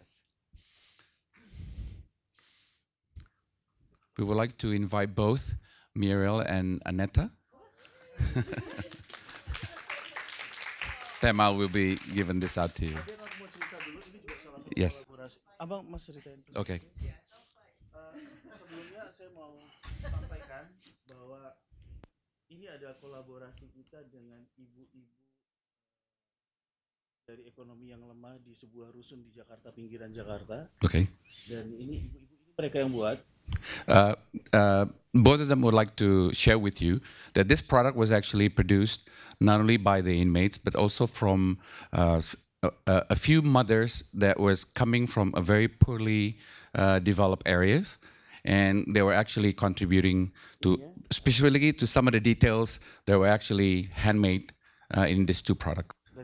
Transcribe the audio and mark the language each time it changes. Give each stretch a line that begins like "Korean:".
English: Yes. We would like to invite both Muriel and Aneta. Tema will be given this out to you. Yes.
Indonesian: beras. Abang mau ceritain. Oke. Sebelumnya saya mau sampaikan bahwa ini ada kolaborasi kita dengan ibu-ibu dari ekonomi yang lemah di sebuah rusun di Jakarta, pinggiran Jakarta. Oke. Dan ini ibu-ibu ini mereka yang buat.
English: Both of them would like to share with you that this product was actually produced not only by the inmates but also from a few mothers that was coming from a very poorly developed areas, and they were actually contributing to specifically to some of the details that were actually handmade in these two products.